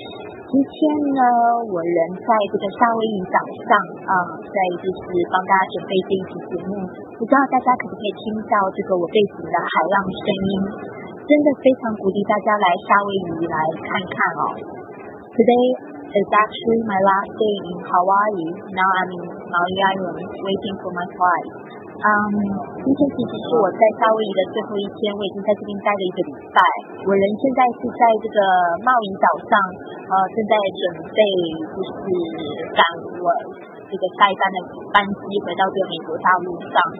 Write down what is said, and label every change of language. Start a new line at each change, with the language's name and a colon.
Chinese: 今天呢，我人在这个夏威夷岛上啊，在就是帮大家准备这一期节目。不知道大家可不可以听到这个我背景的海浪声音？真的非常鼓励大家来夏威夷来看看哦。
English: Today is actually my last day in Hawaii. Now I'm in Maui Island, waiting for my flight.
Chinese: 今天其实是我在夏威夷的最后一天，我已经在这边待了一个礼拜。我人现在是在这个茂林岛上，正在准备就是赶我这个下一班的班机回到这个美国大陆上。